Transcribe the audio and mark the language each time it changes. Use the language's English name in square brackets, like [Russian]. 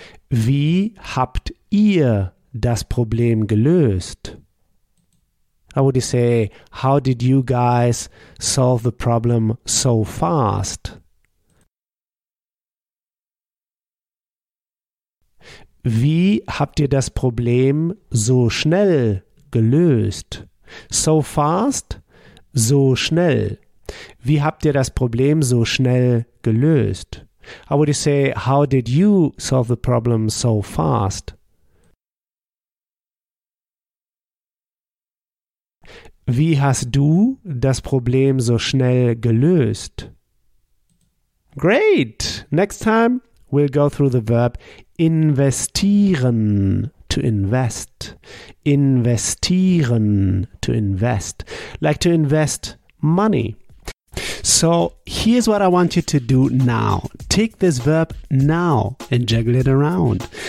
[German] Wie habt ihr das Problem gelöst? [English] How would you say, how did you guys solve the problem so fast? [German] Wie habt ihr das Problem so schnell gelöst? [English] So fast, [German] so schnell. Wie habt ihr das Problem so schnell gelöst? [English] How would you say, how did you solve the problem so fast? [German] Wie hast du das Problem so schnell gelöst? [English] Great! Next time we'll go through the verb investieren, to invest. Investieren, to invest. Like to invest money. So here's what I want you to do now. Take this verb now and juggle it around.